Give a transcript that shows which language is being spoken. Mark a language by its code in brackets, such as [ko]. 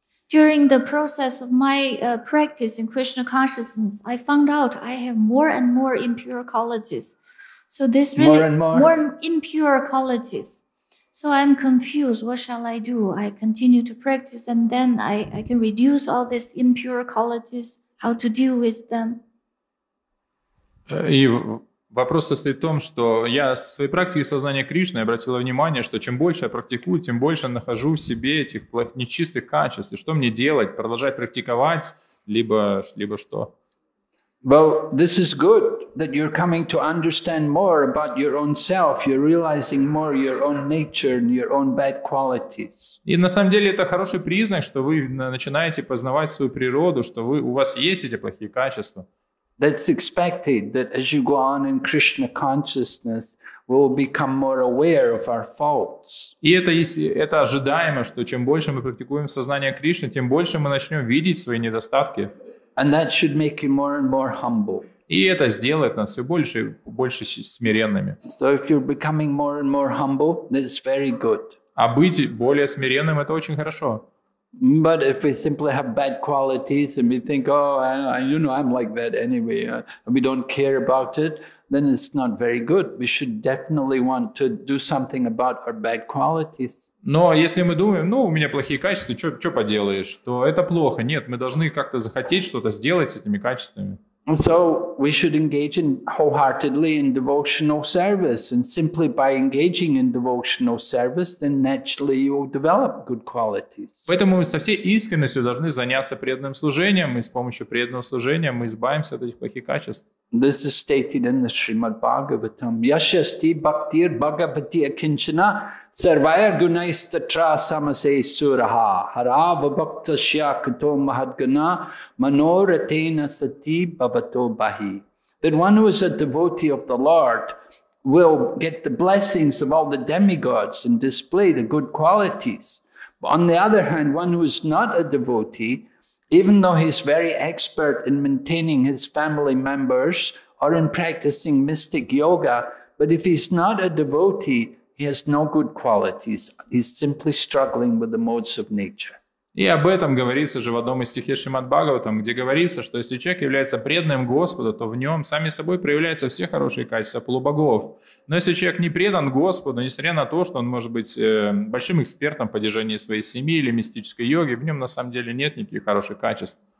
[en] During the process of my practice in Krishna consciousness, I found out I have more and more impure qualities. So this really more impure qualities. So I'm confused. What shall I do? I continue to practice, and then I can reduce all these impure qualities. How to deal with them? [ru] Вопрос состоит в том, что я в своей практике сознания Кришны обратила внимание, что чем больше я практикую, тем больше нахожу в себе этих нечистых качеств. И что мне делать? Продолжать практиковать, либо что? [en] Well, this is good that you're coming to understand more about your own self. You're realizing more your own nature and your own bad qualities. [ru] И на самом деле это хороший признак, что вы начинаете познавать свою природу, что у вас есть эти плохие качества. [en] That's expected, that as you go on in Krishna consciousness, we'll become more aware of our faults. [ru] И это ожидаемо, что чем больше мы практикуем сознание Кришны, тем больше мы начнем видеть свои недостатки. [en] And that should make you more and more humble. [ru] И это сделает нас все больше и больше смиренными. [en] So if you're becoming more and more humble, that's very good. [ru] А быть более смиренным — это очень хорошо. [en] But if we simply have bad qualities and we think, I'm like that anyway, and we don't care about it, then it's not very good. We should definitely want to do something about our bad qualities. [ru] Но если мы думаем, у меня плохие качества, что поделаешь, то это плохо. Нет, мы должны как-то захотеть что-то сделать с этими качествами. [en] So we should engage in wholeheartedly in devotional service, and simply by engaging in devotional service, then naturally you will develop good qualities. [ru] Поэтому мы со всей искренностью должны заняться преданным служением, и с помощью преданного служения мы избавимся от этих плохих качеств. [en] This is stated in the Srimad Bhagavatam. [sa] Yashasti bhaktir bhagavati akinchana sarvayar gunaistatra samase suraha harava bhakta shya kato mahadgana manoratena sati bhavato bahi. [en] That one who is a devotee of the Lord will get the blessings of all the demigods and display the good qualities. But on the other hand, one who is not a devotee, even though he's very expert in maintaining his family members or in practicing mystic yoga, but if he's not a devotee, he has no good qualities. He's simply struggling with the modes of nature. [ru] И об этом говорится же в одном из стихий Шримад Бхагаватам, где говорится, что если человек является преданным Господу, то в нем сами собой проявляются все хорошие качества полубогов. Но если человек не предан Господу, несмотря на то, что он может быть большим экспертом по держанию своей семьи или мистической йоги, в нем на самом деле нет никаких хороших качеств.